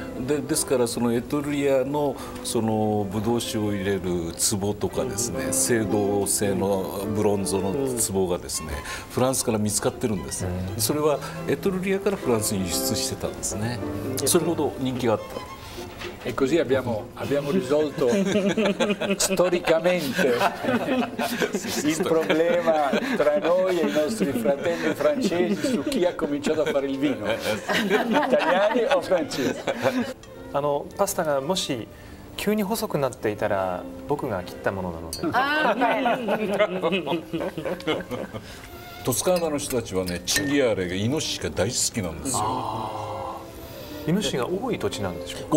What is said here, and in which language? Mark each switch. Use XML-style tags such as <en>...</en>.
<ja>ですからそのエトルリアのそのブドウ酒を入れる壺とかですね、青銅製のブロンズの壺がですねフランスから見つかってるんです。それはエトルリアからフランスに輸出してたんですね。それほど人気があった。</ja> <it>E così abbiamo risolto storicamente il problema tra noi e i nostri fratelli francesi su chi ha cominciato a fare il vino, italiani o francesi.</it> <ja>パスタがもし急に細くなっていたら僕が切ったものなので。トスカーナの人たちはね、チンギアーレがイノシシが大好きなんですよ。イヌシが多い土地なんでしょうか。</ja>